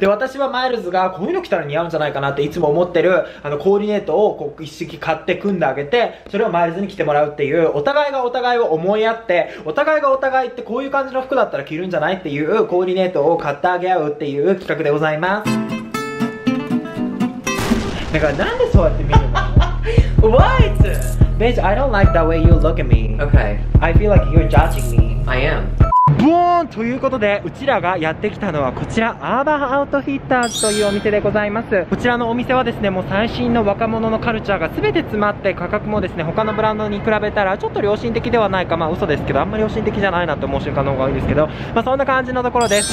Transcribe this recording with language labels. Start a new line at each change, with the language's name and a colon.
Japanese: で、私はマイルズが、こういうの着たら似合うんじゃないかなっていつも思ってる、コーディネートをこう一式買って組んであげて、それをマイルズに着てもらうっていう、お互いがお互いを思い合って、お互いがお互いってこういう感じの服だったら着るんじゃないっていうコーディネートを買ってあげ合うっていう企画でございます。だからなんでそうやって見るの？
English: What? Bitch, I don't like the way you look at me. Okay. I feel like you're judging me. I am. ブーン！
Japanese: ということで、うちらがやってきたのはこちら、アーバンアウトフィッターズというお店でございます。こちらのお店はですね、もう最新の若者のカルチャーが全て詰まって、価格もですね、他のブランドに比べたらちょっと良心的ではないか、まあ嘘ですけど、あんまり良心的じゃないなと思う瞬間の方が多いんですけど、まあそんな感じのところです。